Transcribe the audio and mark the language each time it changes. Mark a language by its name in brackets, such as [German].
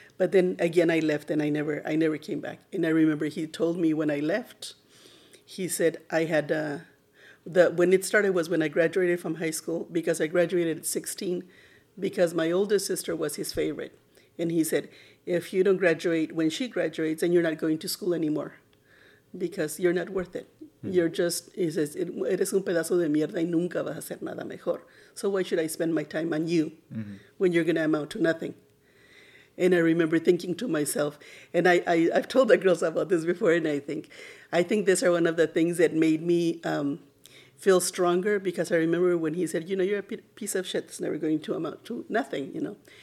[English] But then again, I left, and I never came back. And I remember he told me when I left, he said I had when it started was when I graduated from high school, because I graduated at 16, because my older sister was his favorite. And he said, if you don't graduate when she graduates, and you're not going to school anymore because you're not worth it. Mm-hmm. You're just, he says, [Spanish] eres un pedazo de mierda y nunca vas a hacer nada mejor. [English] So why should I spend my time on you mm-hmm. when you're going to amount to nothing? And I remember thinking to myself, and I've told the girls about this before, and I think these are one of the things that made me feel stronger, because I remember when he said, you know, you're a piece of shit that's never going to amount to nothing, you know.